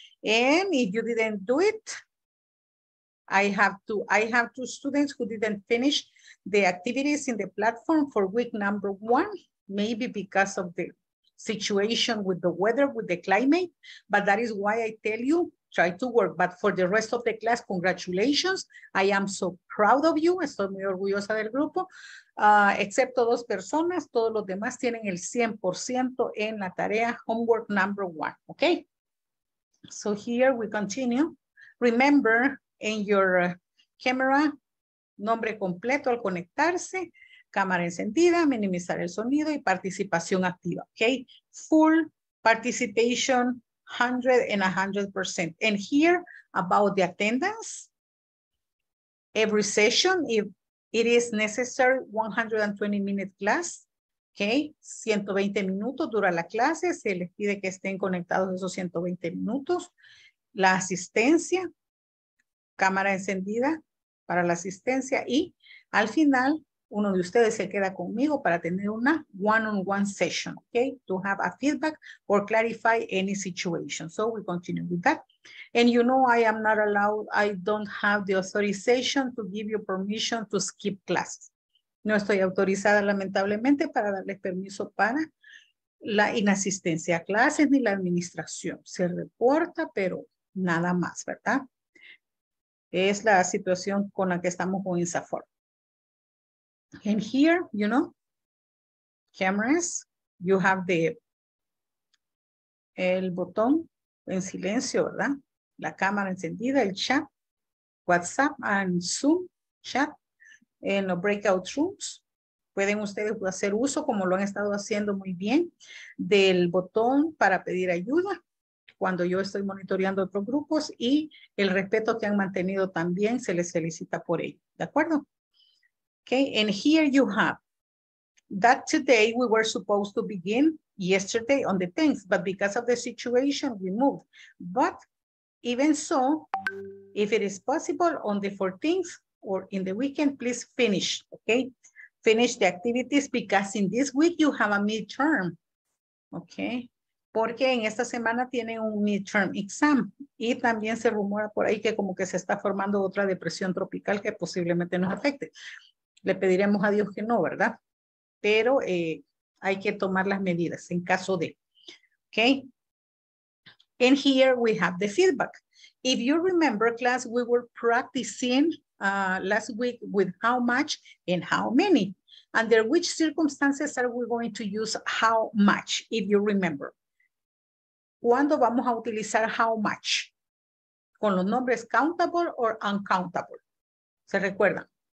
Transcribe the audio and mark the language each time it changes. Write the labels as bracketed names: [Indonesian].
[English] And if you didn't do it, I have two students who didn't finish the activities in the platform for week number one, maybe because of the situation with the weather, with the climate, but that is why I tell you, try to work. But for the rest of the class, congratulations. I am so proud of you. [Spanish] Estoy muy orgullosa del grupo. Excepto dos personas, todos los demás tienen el 100% en la tarea [English] homework number one, [Spanish] okay? [English] So here we continue. Remember in your camera, [Spanish] nombre completo al conectarse, cámara encendida, minimizar el sonido y participación activa, okay? [English] Full participation, 100% and 100%. And here about the attendance, every session, if it is necessary, 120 minute class, okay? [Spanish] 120 minutos dura la clase, se les pide que estén conectados esos 120 minutos. La asistencia, cámara encendida para la asistencia y al final, uno de ustedes se queda conmigo para tener una [English] one-on-one session, [Spanish] okay? [English] To have a feedback or clarify any situation. So we continue with that. And you know, I am not allowed, I don't have the authorization to give you permission to skip classes. [Spanish] No estoy autorizada, lamentablemente, para darles permiso para la inasistencia a clases ni la administración. Se reporta, pero nada más, ¿verdad? Es la situación con la que estamos con INSAFORP. [English] And here, you know, cameras, you have the [Spanish] el botón en silencio, ¿verdad? La cámara encendida, el chat, WhatsApp and Zoom chat en los breakout rooms. Pueden ustedes hacer uso, como lo han estado haciendo muy bien, del botón para pedir ayuda cuando yo estoy monitoreando otros grupos y el respeto que han mantenido también se les felicita por ello, ¿de acuerdo? [English] Okay, and here you have that today we were supposed to begin yesterday on the 10th, but because of the situation, we moved. But even so, if it is possible on the 14th or in the weekend, please finish, okay? Finish the activities because in this week you have a midterm, okay? [Spanish] Porque en esta semana tienen un midterm exam y también se rumora por ahí que como que se está formando otra depresión tropical que posiblemente nos afecte. Le pediremos a Dios que no, ¿verdad? Pero hay que tomar las medidas en caso de, okay? [English] And here we have the feedback. If you remember class, we were practicing last week with how much and how many. Under which circumstances are we going to use how much, if you remember? [Spanish] ¿Cuándo vamos a utilizar how much? ¿Con los nombres [English] countable or uncountable? [Spanish] ¿Se recuerdan?